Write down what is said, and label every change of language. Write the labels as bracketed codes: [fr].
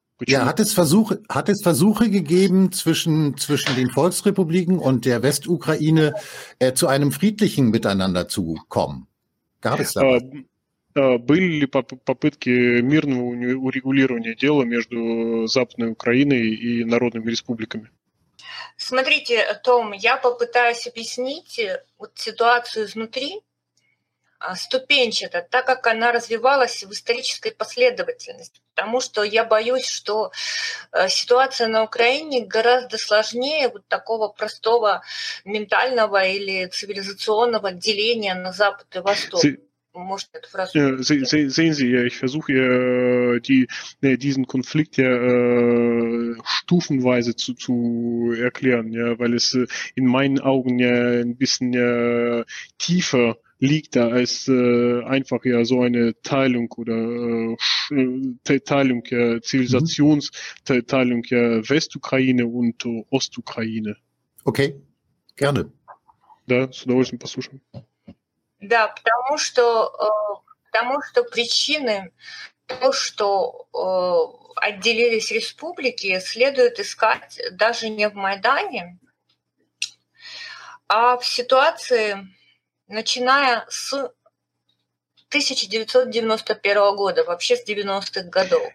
[de] Ja, hat es Versuche gegeben zwischen den Volksrepubliken und der Westukraine zu einem friedlichen Miteinander zu kommen? Gab es da? [ru] Были ли попытки мирного урегулирования дела между Западной Украиной и народными республиками? Смотрите, Том, я попытаюсь объяснить вот ситуацию изнутри, ступенчато, так как она развивалась в исторической последовательности. Потому что я боюсь, что ситуация на Украине гораздо сложнее вот такого простого ментального или цивилизационного деления на Запад и Восток. [de] Sehen Sie, ja, ich versuche ja diesen Konflikt ja stufenweise zu erklären, ja, weil es in meinen Augen ja ein bisschen ja tiefer liegt da als einfach ja so eine Teilung oder Teilung, ja, Zivilisationsteilung, ja, Westukraine und Ostukraine. Okay, gerne. [ru] Да, с удовольствием послушаем. Да, потому что причины то, что отделились республики, следует искать даже не в Майдане, а в ситуации, начиная с 1991 года, вообще с 90-х годов.